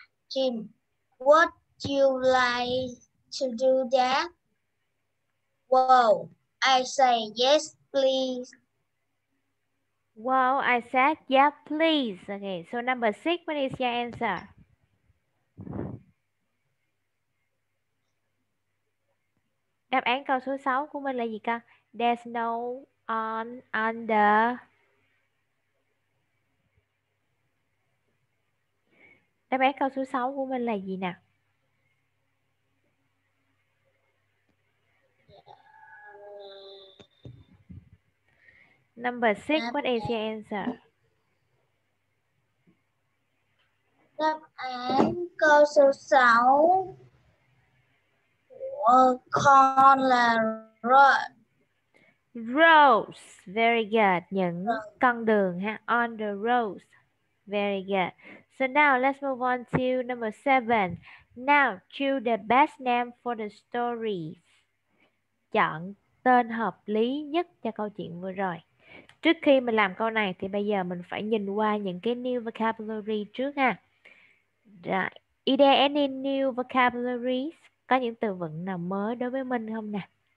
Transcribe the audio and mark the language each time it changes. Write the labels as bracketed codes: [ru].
[en] Jim, would you like to do that? Well, I say yes, please. Well, I said yeah, please. Okay, so number six, what is your answer? [vi] Đáp án câu số 6 của mình là gì con? [en] There's no on under. [vi] Đáp án câu số 6 của mình là gì nè? [en] Number 6, what is your answer? [vi] Đáp án câu số 6 con là [en] roads. Very good. [vi] Những con đường ha. [en] On the roads. Very good. So now let's move on to number 7. Now choose the best name for the story. [vi] Chọn tên hợp lý nhất cho câu chuyện vừa rồi. Trước khi mình làm câu này thì bây giờ mình phải nhìn qua những cái [en] new vocabulary [vi] trước ha. [en] Right. Is there any new vocabulary? [vi] Có những từ vựng nào mới đối với mình không nè?